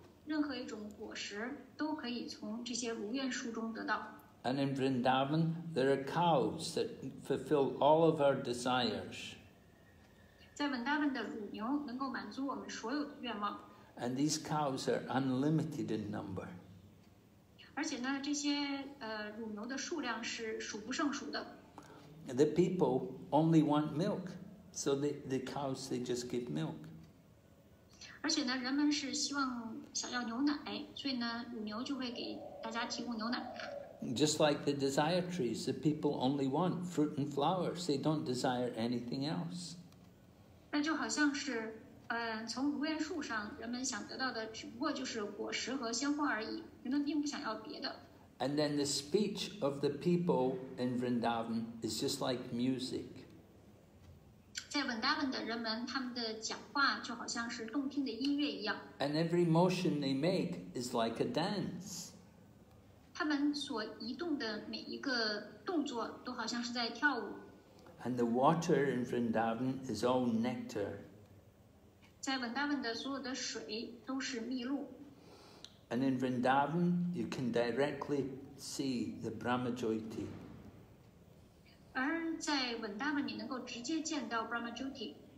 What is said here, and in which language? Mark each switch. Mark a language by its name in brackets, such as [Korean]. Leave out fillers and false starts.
[Chinese] 任何一种果实都可以从这些如愿树中得到。 [English] And in Vrindavan, there are cows that fulfill all of our desires. [Chinese] 在 Vrindavan 的乳牛能够满足我们所有的愿望。 [English] And these cows are unlimited in number. [Chinese] 而且呢，这些乳牛的数量是数不胜数的。 [English] The people only want milk, so the cows they just give milk. [Chinese] 而且呢，人们是希望想要牛奶，所以呢，乳牛就会给大家提供牛奶。 [English] Just like the desire trees, the people only want fruit and flowers. They don't desire anything else. [Chinese] 那就好像是，从如愿树上，人们想得到的只不过就是果实和鲜花而已，人们并不想要别的。 [English] And then the speech of the people in Vrindavan is just like music. [Chinese] 在 Vrindavan 的人们，他们的讲话就好像是动听的音乐一样。 [English] And every motion they make is like a dance. [Chinese] 他们所移动的每一个动作都好像是在跳舞。 [English] And the water in Vrindavan is all nectar. [Chinese] 在 Vrindavan 的所有的水都是蜜露。 [English] And in Vrindavan, you can directly see the Brahmajyoti. [Chinese] 而在 Vrindavan 你能够直接见到 Brahmajyoti。